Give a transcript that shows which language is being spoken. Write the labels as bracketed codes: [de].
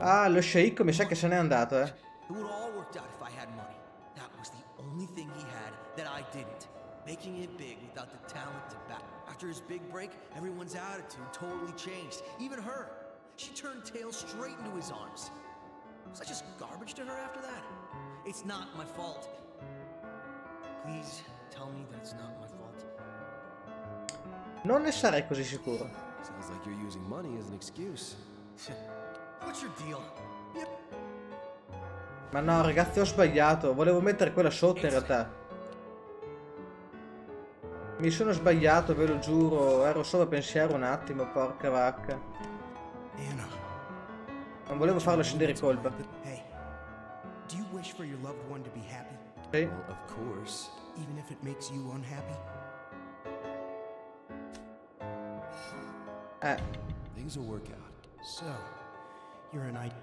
[it] Ah, lo sceicco mi sa che se n'è andato, [en] It would all worked out if I had money. That was the only thing he had that I didn't. Making it big without the talent to back. After his big break, everyone's attitude totally changed. Even her. She turned tail straight into his arms. Was I just garbage to her after that? It's not my fault. Please tell me that it's not my fault. [it] Non ne sarei così sicuro. [en] Sounds like you're using money as an excuse. What's your deal? Yep. [it] Ma no, ragazzi, ho sbagliato. Volevo mettere quella sotto in realtà. Mi sono sbagliato, ve lo giuro. Ero solo a pensiero un attimo, porca vacca. Non volevo farlo scendere colpa. [en] Hey. Do you wish for your loved one to be happy? Well, of course. Even if it makes you unhappy. Things will work out. So, you're an idiot.